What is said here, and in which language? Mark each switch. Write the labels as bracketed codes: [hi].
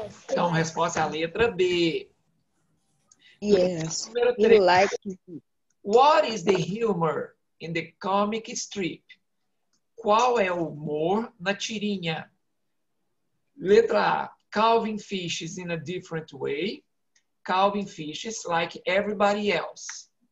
[pt] Então, a resposta é a letra B. [en] Yes. Número 3. He likes it. What is the humor in the comic strip? [pt] Qual é o humor na tirinha? Letra A. [en] Calvin fishes in a different way. Calvin fishes like everybody else.